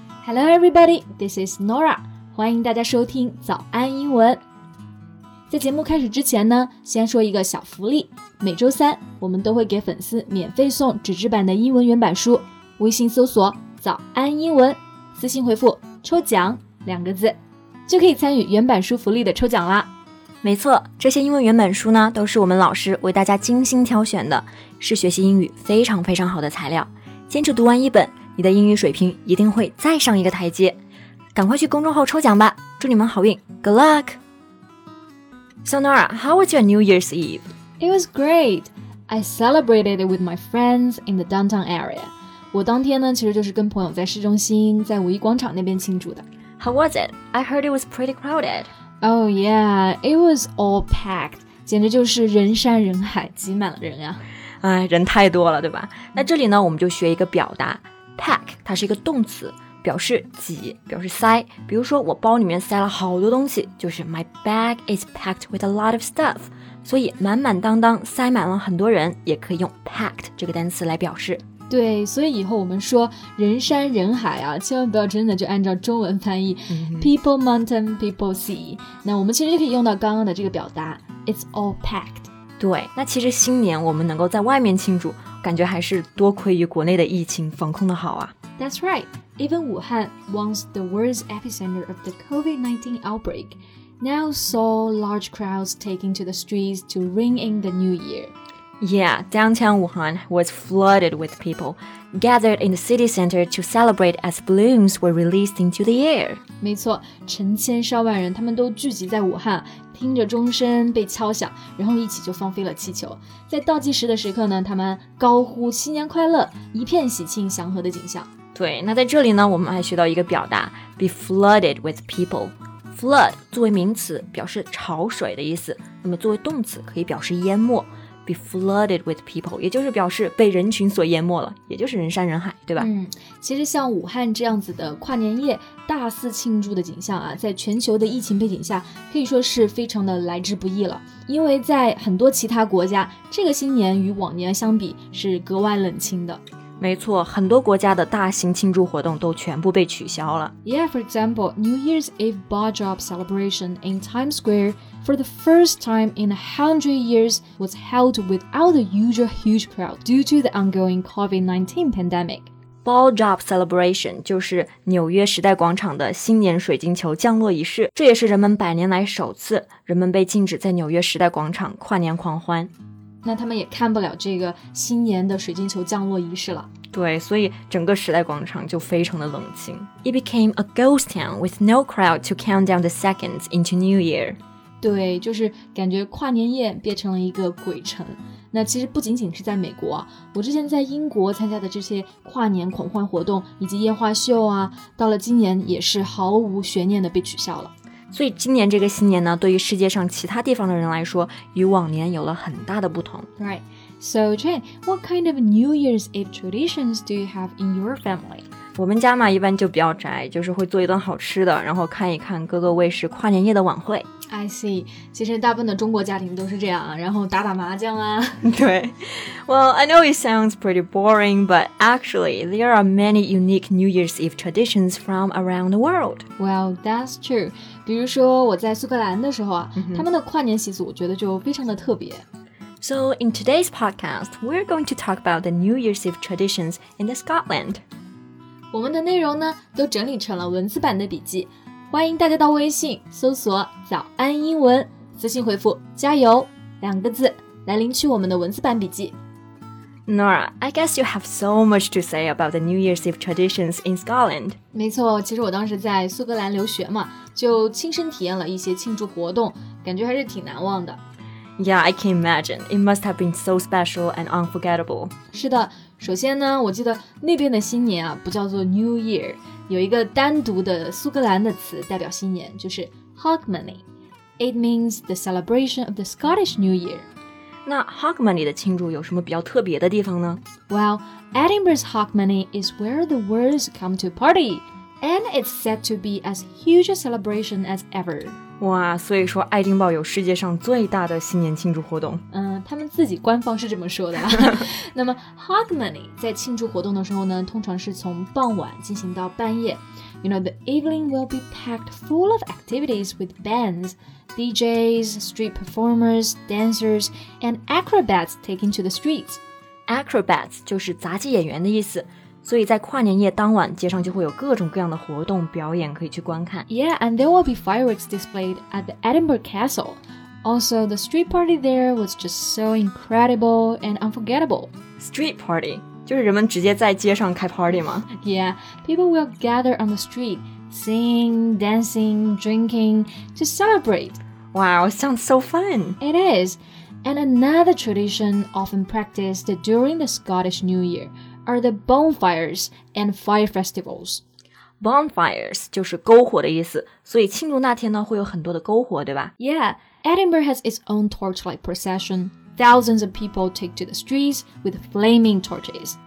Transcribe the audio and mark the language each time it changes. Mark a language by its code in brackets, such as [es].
[en] Hello everybody, this is Nora. [zh] 欢迎大家收听早安英文。在节目开始之前呢，先说一个小福利。每周三，我们都会给粉丝免费送纸质版的英文原版书。微信搜索早安英文，私信回复抽奖两个字，就可以参与原版书福利的抽奖啦。没错，这些英文原版书呢，都是我们老师为大家精心挑选的，是学习英语非常非常好的材料。坚持读完一本，你的英语水平一定会再上一个台阶。赶快去公众号抽奖吧，祝你们好运 ， [en] Good luck！ So Nora, how was your New Year's Eve? It was great. I celebrated it with my friends in the downtown area. [zh] 我当天呢，其实就是跟朋友在市中心，在五一广场那边庆祝的。 [en] How was it? I heard it was pretty crowded. Oh yeah, it was all packed. [zh] 简直就是人山人海，挤满了人呀、啊！哎，人太多了，对吧？那这里呢，我们就学一个表达 ，pack， 它是一个动词，表示挤，表示塞。比如说，我包里面塞了好多东西，就是 [en] my bag is packed with a lot of stuff. [zh] 所以满满当当塞满了很多人，也可以用 packed 这个单词来表示。对，所以以后我们说人山人海啊，千万不要真的就按照中文翻译、mm-hmm. [en] People mountain, people sea. [zh] 那我们其实就可以用到刚刚的这个表达 [en] It's all packed. [zh] 对，那其实新年我们能够在外面庆祝，感觉还是多亏于国内的疫情防控的好啊。 [en] That's right. Even Wuhan, once the world's epicenter of the COVID-19 outbreak, now saw large crowds taking to the streets to ring in the new year. Yeah, downtown Wuhan was flooded with people gathered in the city center to celebrate as balloons were released into the air. [zh] 没错，成千上万人，他们都聚集在武汉，听着钟声被敲响，然后一起就放飞了气球。在倒计时的时刻呢，他们高呼新年快乐，一片喜庆祥和的景象。对，那在这里呢，我们还学到一个表达 [en] be flooded with people. [zh] Flood 作为名词表示潮水的意思，那么作为动词可以表示淹没。 [en] Be flooded with people, [zh] 也就是表示被人群所淹没了，也就是人山人海，对吧？嗯，其实像武汉这样子的跨年夜大肆庆祝的景象啊，在全球的疫情背景下，可以说是非常的来之不易了。因为在很多其他国家，这个新年与往年相比是格外冷清的。没错，很多国家的大型庆祝活动都全部被取消了。 [en] Yeah, for example, New Year's Eve bar drop celebration in Times Square for the first time in 100 years was held without the usual huge crowd due to the ongoing COVID-19 pandemic. Ball drop celebration [zh] 就是纽约时代广场的新年水晶球降落仪式，这也是人们百年来首次，人们被禁止在纽约时代广场跨年狂欢。那他们也看不了这个新年的水晶球降落仪式了。对，所以整个时代广场就非常的冷清。 [en] It became a ghost town with no crowd to count down the seconds into New Year. [zh] 对，就是感觉跨年夜变成了一个鬼城。那其实不仅仅是在美国，我之前在英国参加的这些跨年狂欢活动以及烟花秀啊，到了今年也是毫无悬念的被取消了。所以今年这个新年呢，对于世界上其他地方的人来说，与往年有了很大的不同。 [en] Right. So, Jen, what kind of New Year's Eve traditions do you have in your family? [zh] 我们家嘛，一般就比较宅，就是会做一顿好吃的，然后看一看各个卫视跨年夜的晚会。 [en] I see. [zh] 其实大部分的中国家庭都是这样，然后打打麻将啊。对。 [en] Well, I know it sounds pretty boring, but actually, there are many unique New Year's Eve traditions from around the world. Well, that's true. [zh] 比如说我在苏格兰的时候啊、mm-hmm. 他们的跨年习俗我觉得就非常的特别。 [en] So, in today's podcast, we're going to talk about the New Year's Eve traditions in the Scotland. [zh] 我们的内容呢都整理成了文字版的笔记。欢迎大家到微信搜索早安英文，私信回复加油两个字来领取我们的文字版笔记。 [en] Nora, I guess you have so much to say about the New Year's Eve traditions in Scotland. [zh] 没错，其实我当时在苏格兰留学嘛，就亲身体验了一些庆祝活动，感觉还是挺难忘的。 [en] Yeah, I can imagine. It must have been so special and unforgettable. [zh] 是的，首先呢，我记得那边的新年啊，不叫做 New Year。有一个单独的苏格兰的词代表新年，就是 Hogmanay. [en] It means the celebration of the Scottish New Year. [zh] 那 Hogmanay 的庆祝有什么比较特别的地方呢？ [en] Well, Edinburgh's Hogmanay is where the world come to party, and it's said to be as huge a celebration as ever. [zh] 哇，所以说爱丁堡有世界上最大的新年庆祝活动。他们自己官方是这么说的。那么 Hogmanay 在庆祝活动的时候呢，通常是从傍晚进行到半夜。 [en] You know, the evening will be packed full of activities with bands, DJs, street performers, dancers, and acrobats taking to the streets. [zh] Acrobats 就是杂技演员的意思。所以在跨年夜当晚，街上就会有各种各样的活动表演可以去观看。 [en] Yeah, and there will be fireworks displayed at the Edinburgh Castle. Also, the street party there was just so incredible and unforgettable. [zh] Street party, 就是人们直接在街上开 party 吗？ [en] Yeah, people will gather on the street, singing, dancing, drinking, to celebrate. Wow, sounds so fun. It is. And another tradition often practiced during the Scottish New Year,are the bonfires and fire festivals. [zh] Bonfires 就是篝火的意思，所以庆祝那天呢会有很多的篝火，对吧？ [en] Yeah, Edinburgh has its own torchlight procession. Thousands of people take to the streets with flaming torches.